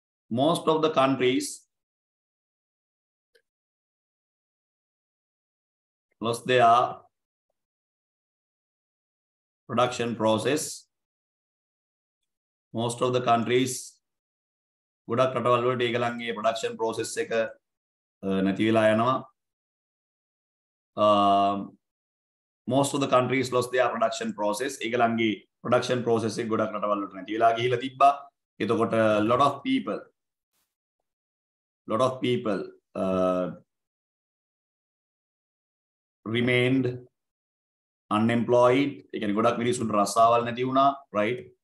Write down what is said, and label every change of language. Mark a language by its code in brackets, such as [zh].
[en] Most of the countries lost their production process. Most of the countries [si] ගොඩක් රටවල් වලට ඒගලන් ඒ production process එක නැති වෙලා යනවා. [en] Most of the countries lost their production process. [si] ඒගලන්ගේ production process එක ගොඩක් රටවල් වලට නැති වෙලා ගිහිලා තිබ්බා. [en] එතකොට a lot of people remained unemployed. [si] Again, ගොඩක් මිනිස්සුන් රස්සාවල් නැති වුණා, right?